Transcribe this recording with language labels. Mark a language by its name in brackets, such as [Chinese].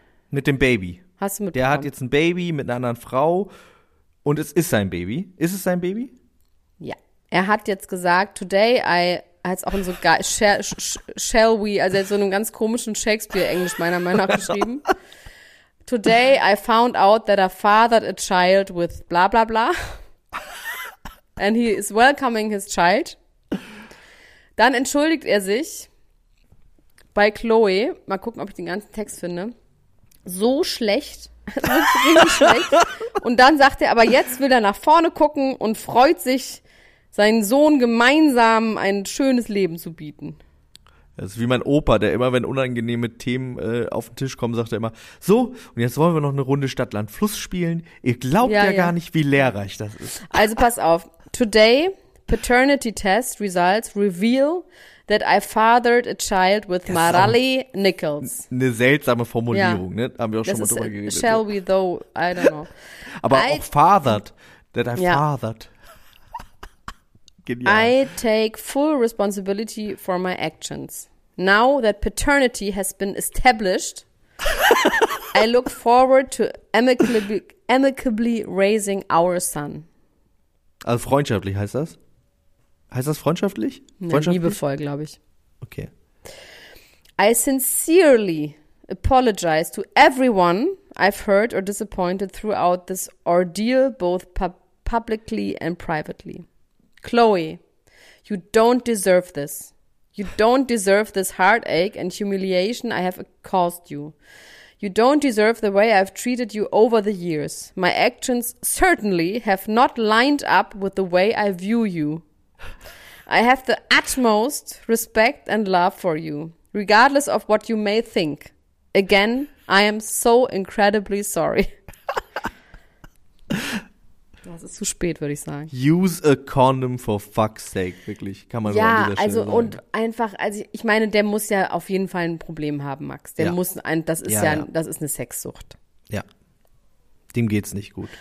[German] Mit dem Baby. Hast du mitbekommen? Der hat jetzt ein Baby mit einer anderen Frau und es ist sein Baby. Ist es sein Baby? Ja. Er hat jetzt gesagt, [English] today I, [German] hat es auch in so, [English] shall we, [German] also jetzt so einem ganz komischen Shakespeare-Englisch meiner Meinung nach geschrieben. [English] Today I found out that I fathered a child with bla bla bla. And he is welcoming his child. [German] Dann entschuldigt er sich bei Chloe, mal gucken, ob ich den ganzen Text finde, so schlecht, richtig schlecht. Und dann sagt er, aber jetzt will er nach vorne gucken und freut sich, seinen Sohn gemeinsam ein schönes Leben zu bieten. Das ist wie mein Opa, der immer, wenn unangenehme Themen auf den Tisch kommen, sagt er immer, so, und jetzt wollen wir noch eine Runde Stadt-Land-Fluss spielen. Ihr glaubt ja gar nicht, wie lehrreich das ist. Also pass auf, [English] today paternity test results reveal that I fathered a child with Marali Nichols. [German] Eine seltsame Formulierung, ne? Haben wir auch das schon mal drüber geredet. [English] Shall we though? I don't know. Aber I, auch fathered. That I fathered. Genial. I take full responsibility for my actions. Now that paternity has been established, I look forward to amicably raising our son. [German] Also freundschaftlich heißt das? Heißt das freundschaftlich? Nee, liebevoll, glaube ich. Okay. [English] I sincerely apologize to everyone I've hurt or disappointed throughout this ordeal, both publicly and privately. Chloe, you don't deserve this. You don't deserve this heartache and humiliation I have caused you. You don't deserve the way I've treated you over the years. My actions certainly have not lined up with the way I view you. I have the utmost respect and love for you, regardless of what you may think. Again, I am so incredibly sorry. [German] Das ist zu spät, würde ich sagen. [English] Use a condom for fuck's sake, [German] wirklich. Kann man ja, so an dieser Stelle also sagen. Und einfach, also ich meine, der muss ja auf jeden Fall ein Problem haben, Max. Der muss ein, das ist ja, das ist eine Sexsucht. Ja. Dem geht's nicht gut.